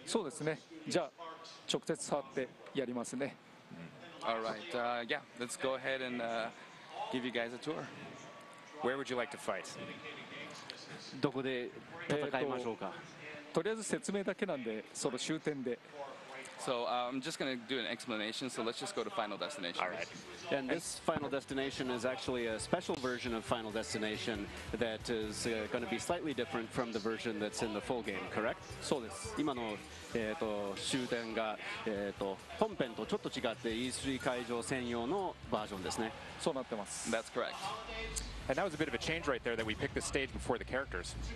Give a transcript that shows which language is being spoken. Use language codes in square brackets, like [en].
[ja] まあ、桜井さんは今までのファイターたちの技とかをいろいろ説明していただきましたけれども、リドリーはほんの少しだけ見られましたので、今朝は実演プレイでリドリーの技も紹介していただけないでしょうか。そうですね。じゃあ、直接触ってやりますね。 [en] All right, yeah, let's go ahead and give you guys a tour. Where would you like to fight? [ja] どこで戦いましょうか。とりあえず説明だけなんで、その終点で。So [en] I'm just going to do an explanation, so let's just go to Final Destination. All right. And this Final Destination is actually a special version of Final Destination that is going to be slightly different from the version that's in the full game, correct? [ja] そうです。今の終点が本編とちょっと違って、E3会場専用のバージョンですね。そうなってます。That's [en] correct. And that was a bit of a change right there that we picked the stage before the characters.